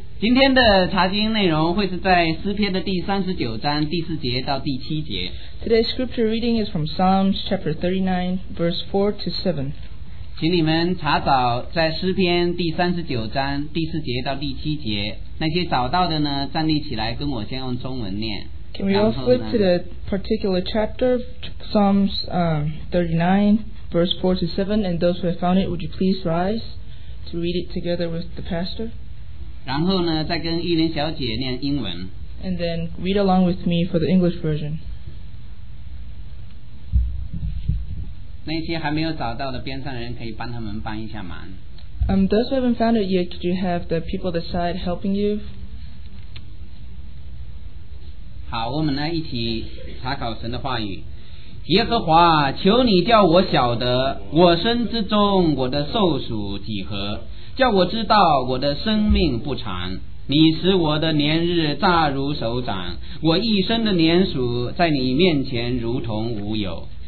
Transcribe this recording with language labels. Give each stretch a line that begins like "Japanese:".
Chinese: 今天的查经内容会是在诗篇的第39章第4节到第7节。
English: Today's scripture reading is from Psalms chapter 39 verse 4 to 7。
Chinese: 请你们查找在诗篇第39章第4节到第7节，那些找到的呢站立起来跟我先用中文念。
English: Can we all flip to the particular chapter, Psalms 39, verse 4 to 7, and those who have found it, would you please rise to read it together with the pastor?
Chinese: 然后呢，再跟依琳小姐念英文。
English: And then read along with me for the English version.
Chinese: 那些还没有找到的边上人可以帮他们帮一下忙。
English: Those who haven't found it yet, could you have the people that side helping you?
Chinese: 好，我们来一起查考神的话语。耶和华，求你叫我晓得我身之中我的寿数几何，叫我知道我的生命不长。你使我的年日乍如手掌，我一生的年数在你面前如同无有。